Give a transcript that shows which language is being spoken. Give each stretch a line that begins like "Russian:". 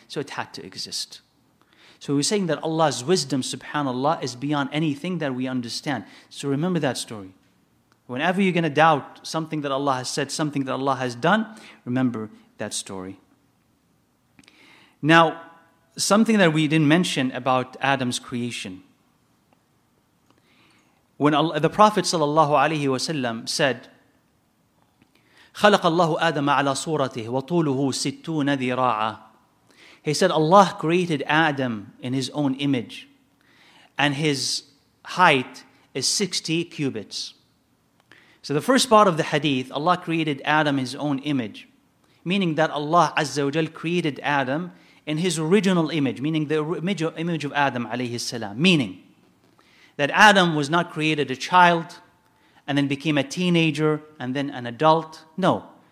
English: So it had to exist. So we're saying that Allah's wisdom, subhanAllah, is beyond anything that we understand. So remember that story. Whenever you're going to doubt something that Allah has said, something that Allah has done, remember that story. Now, something that we didn't mention about Adam's creation. When the Prophet sallallahu alaihi wasallam said,
Arabic: خلق الله آدم على صورته وطوله ستون ذراعا.
English: He said, Allah created Adam in His own image, and his height is 60 cubits. So the first part of the hadith, Allah created Adam in His own image, meaning that Allah Azza wa Jal created Adam in His original image, meaning the image of Adam alayhi salam, meaning that Adam was not created a child and then became a teenager and then an adult. No.